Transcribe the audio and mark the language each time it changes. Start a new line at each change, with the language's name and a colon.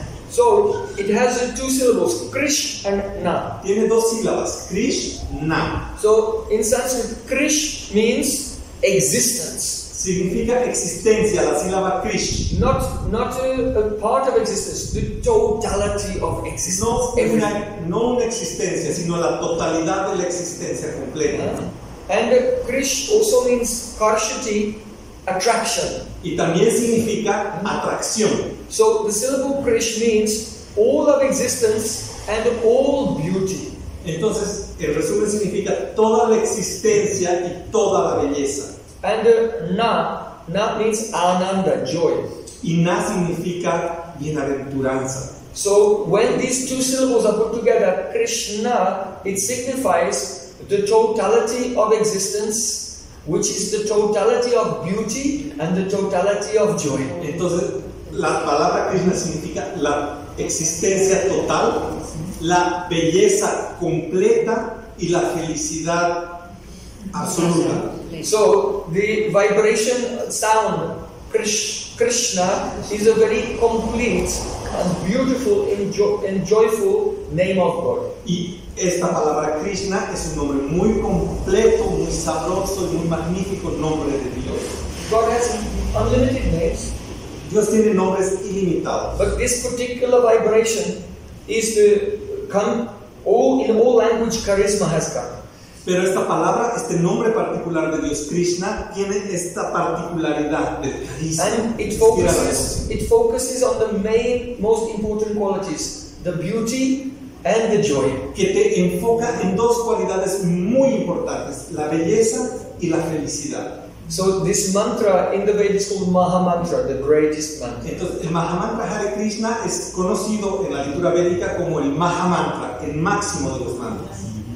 English: So it has two syllables, Krish and Na.
Spanish: Tiene dos sílabas, Krish, Na.
English: So in Sanskrit, Krish means existence.
Spanish: Significa existencia, la sílaba Krish.
English: Not a part of existence, the totality of existence.
Spanish: No una existencia, sino la totalidad de la existencia completa.
English: And Krish also means karshati, attraction.
Spanish: Y también significa atracción.
English: So the syllable Krish means all of existence and all beauty.
Spanish: Entonces, el resumen significa toda la existencia y toda la belleza.
English: And na means ananda, joy.
Spanish: Y na significa bienaventuranza.
English: So when these two syllables are put together, Krishna, it signifies the totality of existence, which is the totality of beauty and the totality of joy.
Spanish: Entonces, la palabra Krishna significa la existencia total, la belleza completa y la felicidad absoluta.
English: So the vibration sound Krishna is a very complete and beautiful and joyful name of God.
Spanish: Y esta palabra Krishna es un nombre muy completo, muy sabroso y muy magnífico nombre de Dios.
English: God has unlimited names.
Spanish: Dios tiene nombres ilimitados.
English: But this particular vibration is to come all in all language charisma has come.
Spanish: Pero esta palabra, este nombre particular de Dios Krishna tiene esta particularidad del carisma.
English: And it focuses on the main most important qualities, the beauty and the joy.
Spanish: Que te enfoca en dos cualidades muy importantes, la belleza y la felicidad.
English: So this mantra in the Vedas is called Mahamantra, the greatest mantra.
Spanish: Entonces, el Mahamantra Hare Krishna es conocido en la lectura védica como el Mahamantra, el máximo de los mantras.